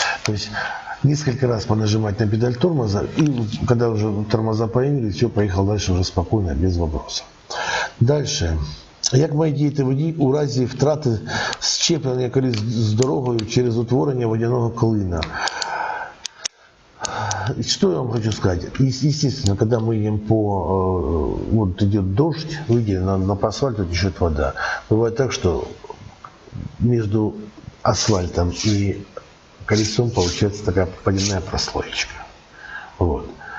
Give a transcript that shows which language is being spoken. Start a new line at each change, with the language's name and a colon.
Russian: То есть несколько раз понажимать на педаль тормоза, и когда уже тормоза появились, все, поехал дальше уже спокойно, без вопросов. Дальше.
Ukrainian: Як має діяти водій у разі втрати зчеплення коліс з дорогою через утворення водяного клина?
Russian: Что я вам хочу сказать? Естественно, когда мы едем вот идет дождь, выйдет на асфальт, вот течет вода. Бывает так, что между асфальтом и колесом получается такая водяная прослоечка. Вот.